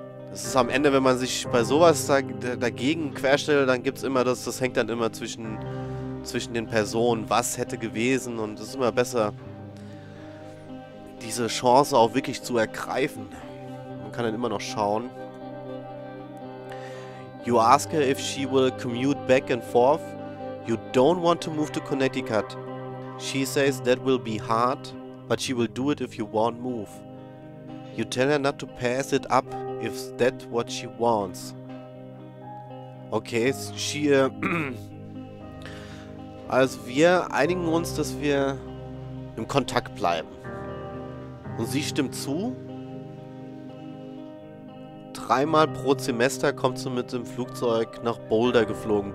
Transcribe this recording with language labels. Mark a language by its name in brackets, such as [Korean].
[German] Das ist am Ende, wenn man sich bei sowas dagegen querstellt, dann gibt es immer das, das hängt dann immer zwischen den Personen, was hätte gewesen und es ist immer besser, diese Chance auch wirklich zu ergreifen. Man kann dann immer noch schauen. [English] You ask her if she will commute back and forth. You don't want to move to Connecticut. She says that will be hard, but she will do it if you won't move. You tell her not to pass it up if that's what she wants. [German] Okay, also wir einigen uns, dass wir im Kontakt bleiben. Und sie stimmt zu. Dreimal pro Semester kommt sie mit dem Flugzeug nach Boulder geflogen.